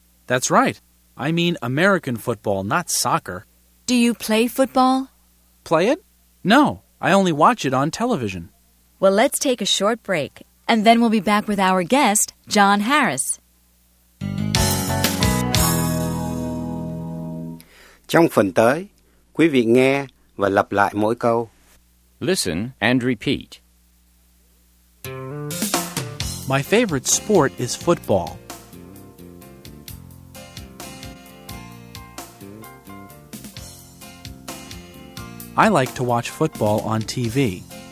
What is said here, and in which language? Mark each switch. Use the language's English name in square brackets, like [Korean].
[English] That's right. I mean American football, not soccer. Do you play football? Play it? No, I only watch it on television. Well, let's take a short break, and then we'll be back with our guest, John Harris. [Vietnamese] Trong phần tới, quý vị nghe và lặp lại mỗi câu. [English] Listen and repeat. My favorite sport is football. I like to watch football on TV.